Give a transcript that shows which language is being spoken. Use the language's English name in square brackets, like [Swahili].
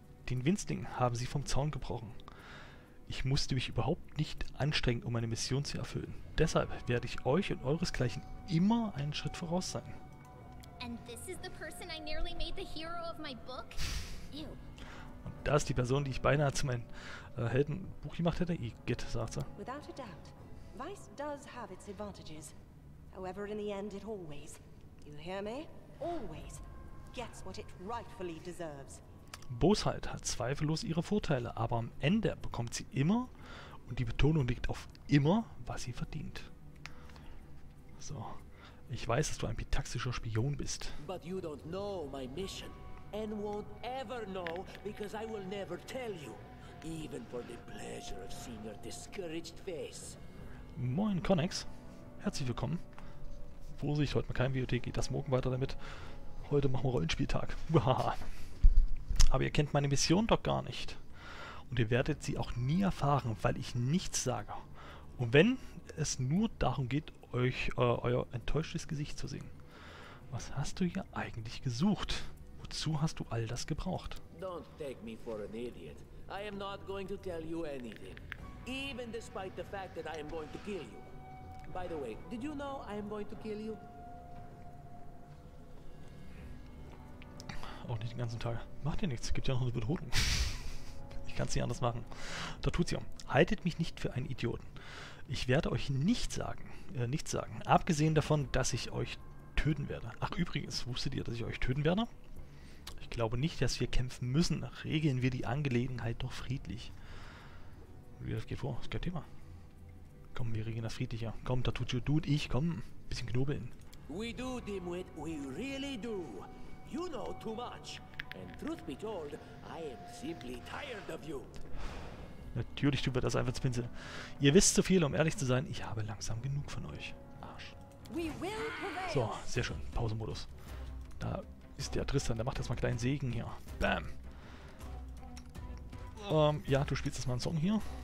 [German] Den Winzling haben sie vom Zaun gebrochen. Ich musste mich überhaupt nicht anstrengen, um meine Mission zu erfüllen. Deshalb werde ich euch und euresgleichen immer einen Schritt voraus sein. [English] And this is the person I nearly made the hero of my book? Ew. [German] Und das ist die Person, die ich beinahe zu meinem Heldenbuch gemacht hätte. Igitt, sagt sie. [English] Without a doubt, vice does have its advantages. However, in the end, it always, you hear me? Always gets what it rightfully deserves. [German] Bosheit hat zweifellos ihre Vorteile, aber am Ende bekommt sie immer, und die Betonung liegt auf immer, was sie verdient. So. Ich weiß, dass du ein pitaxischer Spion bist. [English] But you don't know my mission. And won't ever know, because I will never tell you. Even for the pleasure of seeing your discouraged face. [German] Moin, Connex. Herzlich willkommen. Vorsicht, heute mal kein Videothek, geht das morgen weiter damit. Heute machen wir Rollenspieltag. Aber ihr kennt meine Mission doch gar nicht. Und ihr werdet sie auch nie erfahren, weil ich nichts sage. Und wenn es nur darum geht, euer enttäuschtes Gesicht zu sehen. Was hast du hier eigentlich gesucht? Wozu hast du all das gebraucht? [English] Don't take me for an idiot. I am not going to tell you anything. Even despite the fact that I am going to kill you. By the way, did you know I am going to kill you? [German] Auch nicht den ganzen Tag. Macht dir nichts, gibt ja noch eine Wiederholung. Ich kann es nicht anders machen. Da tut's ja. Haltet mich nicht für einen Idioten. Ich werde euch nichts sagen. Abgesehen davon, dass ich euch töten werde. Ach übrigens, wusstet ihr, dass ich euch töten werde? Ich glaube nicht, dass wir kämpfen müssen. Regeln wir die Angelegenheit doch friedlich. Wie das geht vor, ist kein Thema. Komm, wir regeln das friedlicher. Komm, Tartuccio, du und ich, komm. Bisschen knobeln. [English] We do, Dimwit, we really do. You know too much. And truth be told, I am simply tired of you. [German] Natürlich tun wir das einfach, Spinsel. Ihr wisst zu viel, um ehrlich zu sein. Ich habe langsam genug von euch. Arsch. So, sehr schön. Pausemodus. Da ist der Tristan. Der macht jetzt mal einen kleinen Segen hier. Bam. Ja, du spielst jetzt mal einen Song hier.